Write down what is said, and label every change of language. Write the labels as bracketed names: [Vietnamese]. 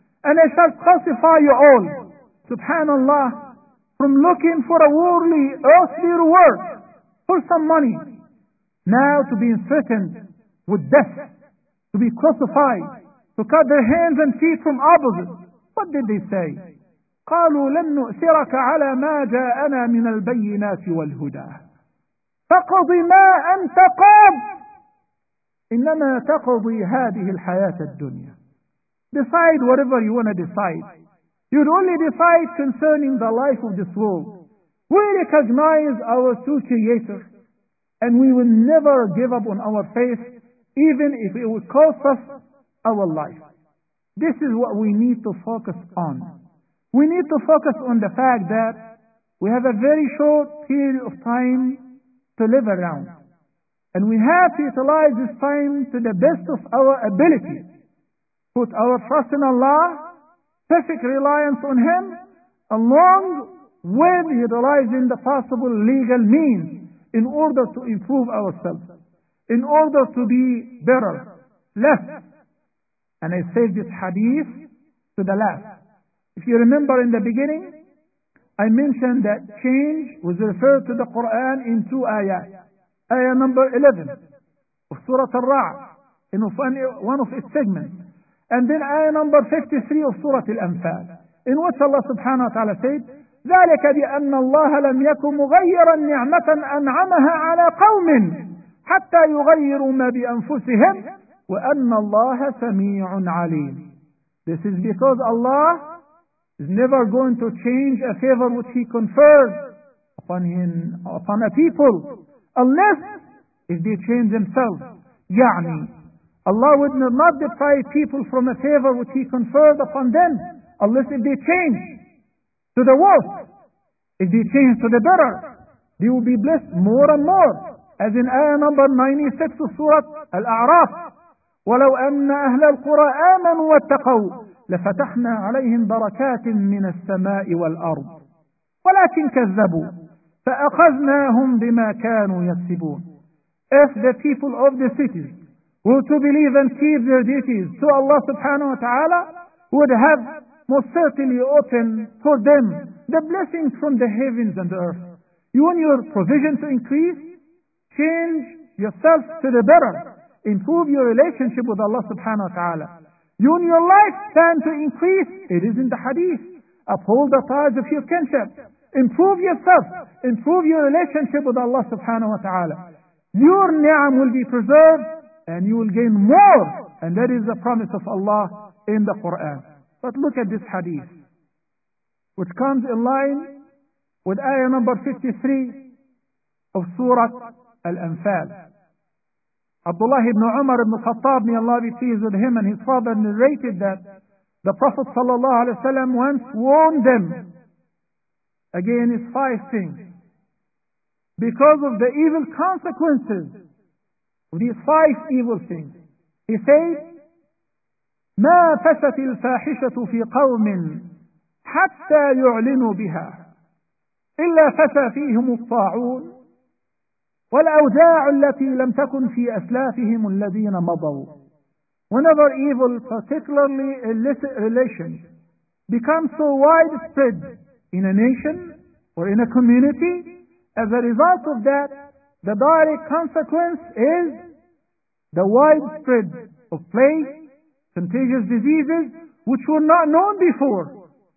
[English] And I shall pacify you all. Subhanallah. From looking for a worldly, earthly reward for some money. Now to being threatened with death. To be crucified. To cut their hands and feet from opposite. What did they say? [Arabic] قالوا لن نؤثرك على ما جاءنا من البينات والهدى. فقضي ما أنت قاض. إنما تقضي هذه الحياة الدنيا. [English] Decide whatever you want to decide. You'd only decide concerning the life of this world. We recognize our true creator. And we will never give up on our faith, even if it would cost us our life. This is what we need to focus on. We need to focus on the fact that we have a very short period of time to live around. And we have to utilize this time to the best of our ability. Put our trust in Allah, perfect reliance on Him, along with utilizing the possible legal means in order to improve ourselves, in order to be better, less. And I say this hadith to the last. If you remember in the beginning, I mentioned that change was referred to the Quran in two ayahs. Ayah number 11 of Surah Al-Ra'a, in one of its segments. And then ayah number 53 of Surah Al-Anfal, in which Allah subhanahu wa ta'ala said, [Arabic] ذَلَكَ بِأَنَّ اللَّهَ لَمْ يَكُمْ مُغَيِّرًا نِعْمَةً أَنْعَمَهَا عَلَى قَوْمٍ حَتَّى يُغَيِّرُوا مَا بِأَنفُسِهِمْ وَأَنَّ اللَّهَ سَمِيعٌ عَلِيمٌ. [English] This is because Allah is never going to change a favor which He conferred upon Him, upon a people, unless if they change themselves. يعني, Allah would not deprive people from a favor which He conferred upon them, unless if they change to the worse. If they change to the better, they will be blessed more and more. As in ayah number 96 of Surah Al-A'raf, [Arabic] وَلَوْ أَنَّ أَهْلَ الْقُرَىٰ آمَنُوا وَاتَّقَوْا لَفَتَحْنَا عَلَيْهِمْ بَرَكَاتٍ مِّنَ السَّمَاءِ وَالْأَرْضِ وَلَكِنْ كَذَّبُوا فَأَخَذْنَاهُمْ بِمَا كَانُوا يَكْسِبُونَ. [English] If the people of the cities were to believe and keep their duties to Allah subhanahu wa ta'ala, would have most certainly opened for them the blessings from the heavens and the earth. You want your provision to increase? Change yourself to the better. Improve your relationship with Allah subhanahu wa ta'ala. You and your life stand to increase. It is in the hadith. Uphold the ties of your kinship. Improve yourself. Improve your relationship with Allah subhanahu wa ta'ala. Your ni'am will be preserved and you will gain more. And that is the promise of Allah in the Quran. But look at this hadith, which comes in line with ayah number 53 of Surah Al-Anfal. Abdullah ibn Umar ibn Khattab, may Allah be pleased with him and his father, narrated that the Prophet sallallahu alaihi wasallam once warned them against five things. Because of the evil consequences of these five evil things, he said, [Arabic] مَا فَسَتِ الْفَاحِشَةُ فِي قَوْمٍ حَتَّى يُعْلِنُوا بِهَا إِلَّا فَسَ فِيهُمُ الطَّاعُونَ والأوجاع التي لم تكن في أسلافهم الذين مضوا. [English] Whenever evil, particularly illicit relations, becomes so widespread in a nation or in a community, as a result of that, the direct consequence is the widespread of plague, contagious diseases, which were not known before.